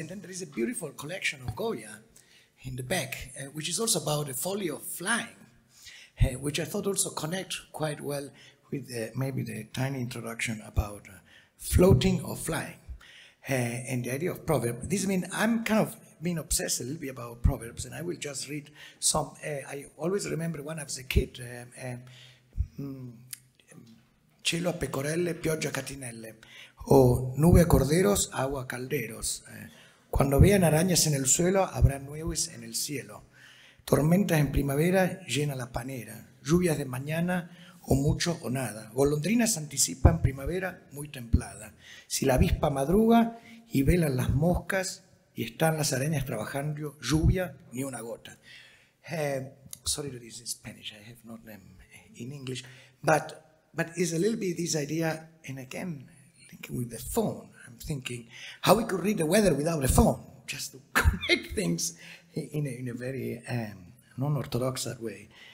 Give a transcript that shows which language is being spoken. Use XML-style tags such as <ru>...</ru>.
<en>And then there is a beautiful collection of Goya in the back, which is also about the folly of flying, which I thought also connect quite well with maybe the tiny introduction about floating or flying. And the idea of proverb, this means I'm kind of been obsessed a little bit about proverbs, and I will just read some.</en> <es>I always remember when I was a kid,</es> <it>cielo a pecorelle, pioggia catinelle,</it> <es>o nube a corderos, agua calderos, cuando vean arañas en el suelo, habrá nubes en el cielo, tormentas en primavera, llena la panera, lluvias de mañana, o mucho o nada, golondrinas anticipan primavera muy templada, si la avispa madruga y velan las moscas, y están las arenas trabajando, lluvia, ni una gota.</es> <en>Sorry that it's in Spanish, I have not them in English. But it's a little bit this idea, and again, linking with the phone, I'm thinking how we could read the weather without a phone, just to connect things in a very non-orthodox way.</en>